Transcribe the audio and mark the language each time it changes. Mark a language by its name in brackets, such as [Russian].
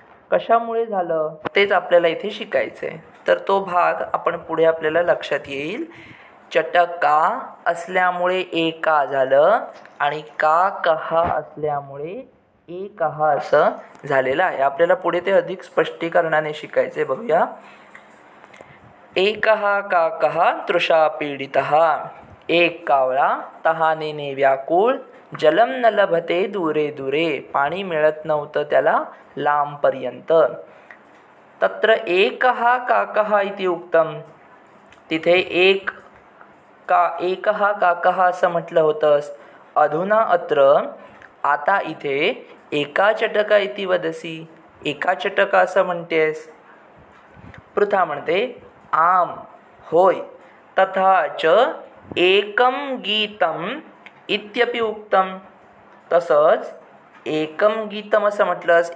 [Marathi] कशामुळे झालं तेच आपल्याला इथे शिकायचंय, तर तो भाग आपण पुढे आपल्याला लक्षात येईल। चटका असल्यामुळे एका झालं आणि काकः असल्यामुळे एकः असं झालेलं आहे। आपल्याला पुढे ते अधिक स्पष्टीकरणाने शिकायचे, बघूया। [Sanskrit] एकः काकः तृषा पीडितः, [Marathi] एक कावळा तहानेने व्याकुळ, [Sanskrit] जलम न लभते दूरे दूरे, [Marathi] पाणी मिळत नव्हतं त्याला लांबपर्यंत. [Sanskrit] तत्र एकः काकः इति उक्तं, [Marathi] तिथे एक का एकः काकः असं म्हटलं होतं. [Sanskrit] अधुना अत्र [Marathi] आता इथे एका चटका [Sanskrit] इति वदसी, [Marathi] एका चटका असं म्हणतेस. पृथा म्हणते आम होय. [Sanskrit] तथा च एकम गीतम इत्यपि उक्तम, [Marathi] तसंच एकम गीतम असं म्हटलंस.